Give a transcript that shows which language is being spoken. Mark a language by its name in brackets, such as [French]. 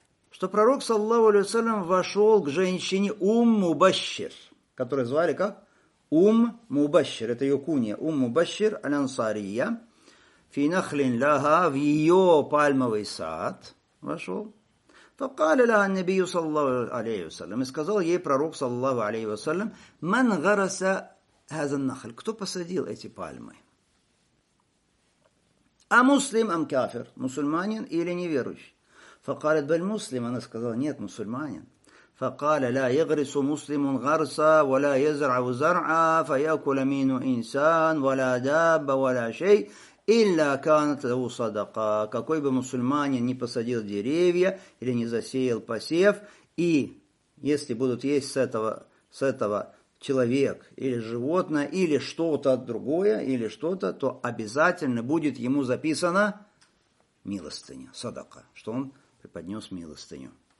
[Russian] Что пророк صلى الله عليه وسلم вошел к женщине أم مبشر, которую звали как أم مبشر, это ее кунья, أم مبشر الأنصارية, [Arabic] في نخل لها, [Russian] в ее пальмовый сад вошел. [Arabic] فقال لها النبي صلى الله عليه وسلم, [Russian] сказал ей пророк صلى الله عليه وسلم, [Arabic] من غرس هذا النخل, [Russian] кто посадил эти пальмы, [Arabic] а муслим ам кафир, [Russian] мусульманин или неверующий. [Arabic] فقالت بل مسلم, [Russian] она сказала, нет, мусульманин. [Arabic] فقال لا يغرس مسلم غرسا ولا يزرع زرعا فياكل منه انسان ولا دابه ولا شيء إلا كانت له صدقة. [Russian] Какой бы мусульманин ни посадил деревья или не засеял посев, и если будут есть с этого человек или животное, или что-то другое, или что-то, то обязательно будет ему записано милостыня, садака, что он преподнес милостыню.